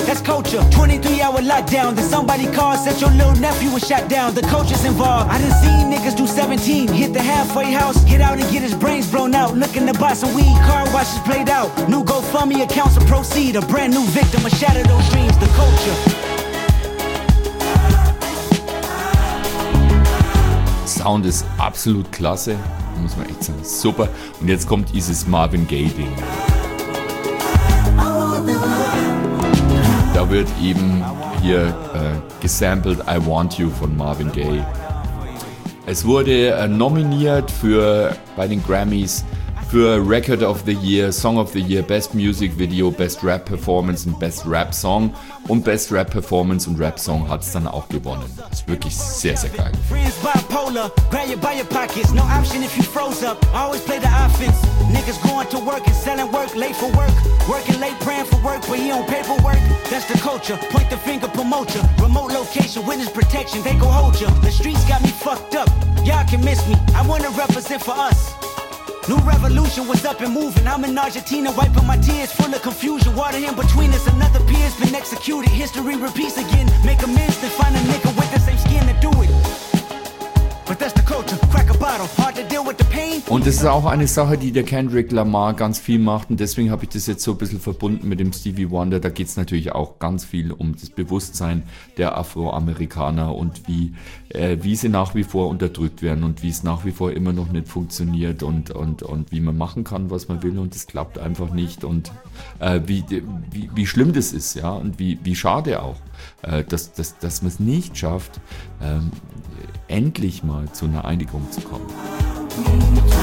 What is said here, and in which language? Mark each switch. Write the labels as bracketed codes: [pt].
[en] That's culture, 23-hour lockdown. Then somebody called, said your little nephew was shot down. The culture involved. I done seen niggas do 17, hit the halfway house, get out and get his brains blown out, looking to buy some weed, car washes played out, new GoFundMe accounts to proceed, a brand new victim, a shatter those dreams, the culture. [de] Sound is absolut klasse, muss man echt sagen, super, und jetzt kommt dieses Marvin Gaye Ding. Da wird eben hier gesampled I Want You von Marvin Gaye. Es wurde nominiert bei den Grammys für Record of the Year, Song of the Year, Best Music Video, Best Rap Performance und Best Rap Song. Und Best Rap Performance und Rap Song hat es dann auch gewonnen. Ist wirklich sehr, sehr geil. [en] Friends bipolar, grab you by your pockets. No option if you froze up. Always play the offense. Niggas going to work and selling work, late for work. Working late, praying for work, but he on paperwork. That's the culture. Point the finger, promote ya. Remote location, witness protection, they gon' hold ya. The streets got me fucked up. Y'all can miss me. I wanna represent for us. New revolution was up and moving. I'm in Argentina wiping my tears, full of confusion. Water in between us, another peer's been executed. History repeats again, make amends, then find a nigga with the same skin to do it. But that's the culture, crack a bottle, hard to deal with the pain. [de] Und das ist auch eine Sache, die der Kendrick Lamar ganz viel macht. Und deswegen habe ich das jetzt so ein bisschen verbunden mit dem Stevie Wonder. Da geht es natürlich auch ganz viel um das Bewusstsein der Afroamerikaner und wie sie nach wie vor unterdrückt werden und wie es nach wie vor immer noch nicht funktioniert und wie man machen kann, was man will, und es klappt einfach nicht, und wie schlimm das ist, ja, und wie schade auch, dass man es nicht schafft, endlich mal zu einer Einigung zu kommen.